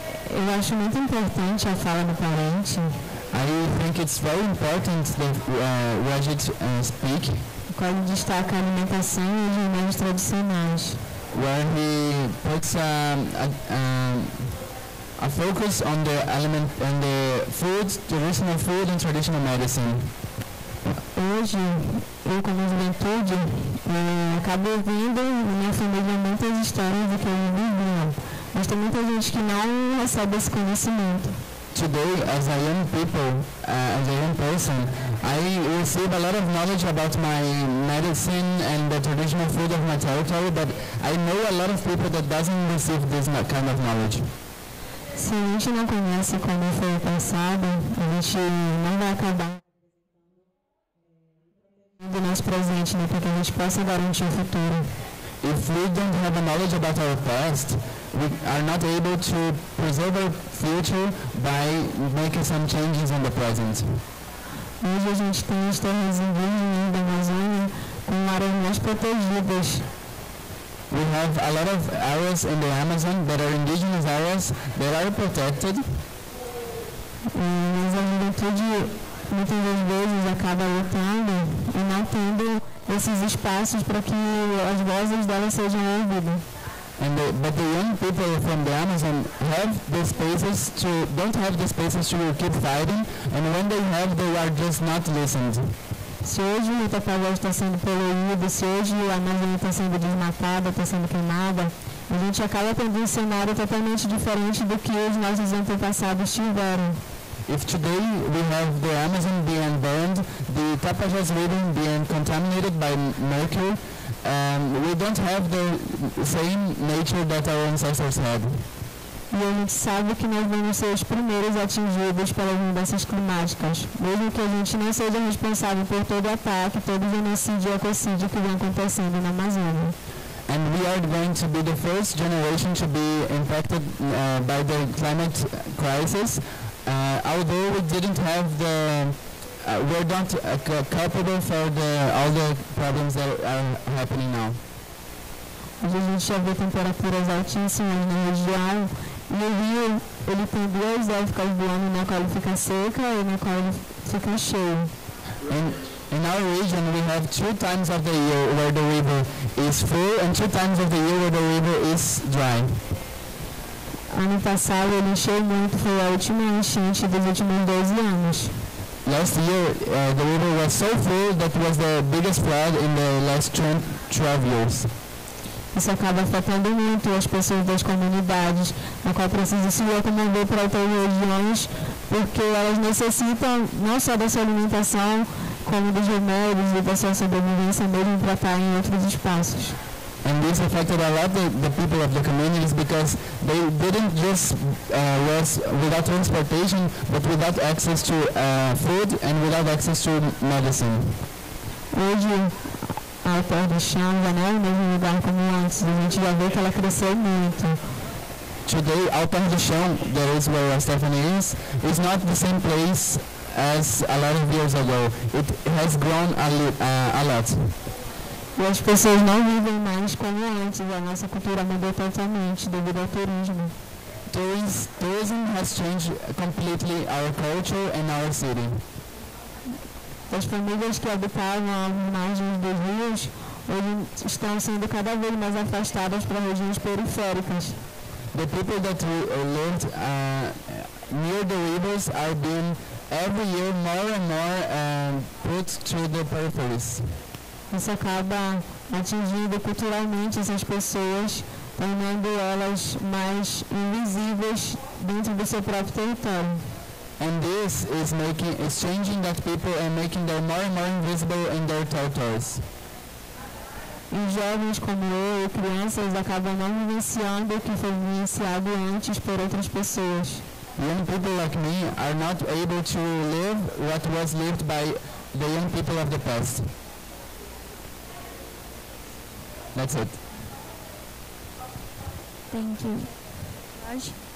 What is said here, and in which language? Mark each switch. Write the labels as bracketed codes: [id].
[pt] Eu acho muito importante a fala do parente. [en] I think it's very important that Rajit speak. [pt] Quando destaca a alimentação e os remédios tradicionais. [en] Where he puts a focus on the element and the foods, traditional food and traditional medicine. [pt] Hoje, eu como juventude, acabo ouvindo minha família muitas histórias do que eu vivi. Mas tem muita gente que não recebe esse conhecimento. [en] Today, as a young people, as a young person, I receive a lot of knowledge about my medicine and the traditional food of my territory, but I know a lot of people that doesn't receive this kind of knowledge. [pt] Se a gente não conhece como foi o passado, a gente não vai acabar do nosso presente, né, para que a gente possa garantir o futuro. [en] If we don't have the knowledge about our past, we are not able to preserve our future by making some changes in the present. [pt] Hoje a gente tem as terras indígenas da Amazônia com áreas mais protegidas. [en] we have a lot of areas in the Amazon that are indigenous areas that are protected. [pt] Mas a juventude muitas das vezes acaba lutando e não tendo esses espaços para que as vozes delas sejam ouvidas. [en] And the, but the young people from the Amazon have the spaces to don't have the spaces to keep fighting, and when they have, they are just not listened. [pt] Se hoje a tua voz está sendo poluída, se hoje a Amazônia está sendo desmatada, está sendo queimada, a gente acaba tendo um cenário totalmente diferente do que os nossos antepassados tiveram. [en] If today we have the Amazon being burned, the Tapajós River being contaminated by mercury, we don't have the same nature that our ancestors had. [pt] E a gente sabe que nós vamos ser os primeiros atingidos pelas mudanças climáticas, mesmo que a gente não seja responsável por todo o ataque, todo o genocídio e ecocídio que vem acontecendo na Amazônia. [en] And we are going to be the first generation to be impacted by the climate crisis, although we didn't have the we're not culpable for the, all the problems that are happening now. [pt] Hoje a gente já vê temperaturas altíssimas na região, e o rio, ele tem duas épocas do ano, na qual ele fica seca e na qual ele fica cheio. [en] In our region, we have two times of the year where the river is full and two times of the year where the river is dry. [pt] Ano passado, ele encheu muito, foi a última enchente dos últimos 12 anos. [en] Last year, the river was so full that was the biggest flood in the last 12 years. [pt] Isso acaba afetando muito as pessoas das comunidades, na qual precisa se locomover para outras regiões, porque elas necessitam não só da sua alimentação, como dos remédios e da sua sobrevivência mesmo para estar em outros espaços. [en] And this affected a lot the people of the communities because they didn't just was without transportation, but without access to food and without access to medicine. [pt] Hoje, a terra do chão já não é o mesmo lugar como antes, a gente já vê que ela cresceu muito. [en] Today, a terra do chão, that is where Stephanie is not the same place as a lot of years ago. It has grown a lot. E as pessoas não vivem mais como antes, a nossa cultura mudou totalmente devido ao turismo. Tourism has changed completely our culture and our city. As famílias que habitavam à margem dos rios hoje estão sendo cada vez mais afastadas para regiões periféricas. The people that lived near the rivers are being every year more and more put to the peripheries. Isso acaba atingindo culturalmente essas pessoas, tornando elas mais invisíveis dentro do seu próprio território. And this is making, is changing that people and making them more and more invisible in their territories. E jovens como eu, crianças, acabam não vivenciando o que foi vivenciado antes por outras pessoas. Young people like me are not able to live what was lived by the young people of the past. That's it. Thank you. Raj?